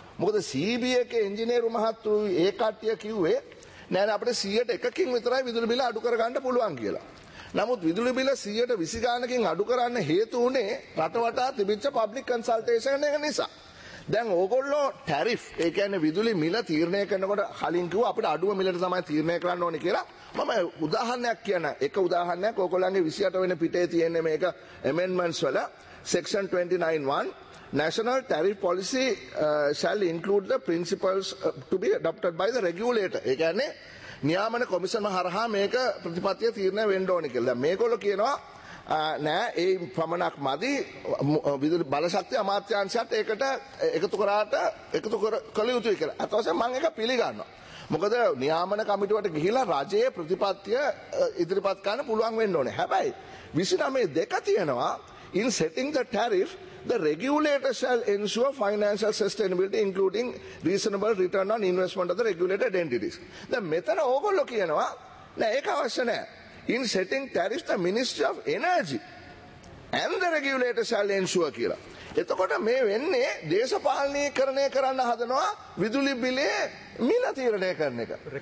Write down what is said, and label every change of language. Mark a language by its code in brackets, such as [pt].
[si] මොකද සීබී එකේ ඉංජිනේරු මහත්තු ඒ කට්ටිය කිව්වේ නෑ අපිට 100%කින් විතරයි විදුලි බිල අඩු කරගන්න පුළුවන් කියලා. නමුත් විදුලි බිල 120 ගානකින් අඩු කරන්න හේතු වුණේ රට වටා තිබිච්ච පබ්ලික් කන්සල්ටේෂන් එක නිසා. දැන් ඕගොල්ලෝ ටැරිෆ් ඒ කියන්නේ විදුලි මිල තීරණය කරනකොට කලින් කිව්වා අපිට අඩුම මිලට තමයි තීරණය කරන්න ඕනේ කියලා. මම උදාහරණයක් කියන එක උදාහරණයක් ඕගොල්ලන්ගේ 28 වෙනි පිටේ තියෙන මේක [en] amendments වල section 29(1) National Tariff Policy shall include the principles to be adopted by the regulator. [si] ඒ කියන්නේ නියාමන කොමිෂන් හරහා මේක ප්‍රතිපත්තිය තීරණය වෙන්න ඕනේ කියලා. දැන් මේගොල්ලෝ කියනවා නෑ ඒ ප්‍රමණක් මදි විදුලි බලශක්ති අමාත්‍යාංශයත් ඒකට එකතු කරාට එකතු කළ යුතුයි කියලා. අතවසේ මම ඒක පිළිගන්නවා. මොකද නියාමන කමිටුවට ගිහිලා රජයේ ප්‍රතිපත්තිය ඉදිරිපත් කරන්න පුළුවන් වෙන්න ඕනේ. හැබැයි 29(2) තියෙනවා [en] in setting the tariff the regulator shall ensure financial sustainability including reasonable return on investment of the regulated entities. [si] දැන් මෙතන ඕගොල්ලෝ කියනවා නෑ ඒක අවශ්‍ය නෑ. [en] In setting tariffs, the Ministry of Energy and the regulator shall ensure [si] කියලා. එතකොට මේ වෙන්නේ දේශපාලනීකරණය කරන්න හදනවා විදුලි බිලේ මිල තීරණය කරන එක.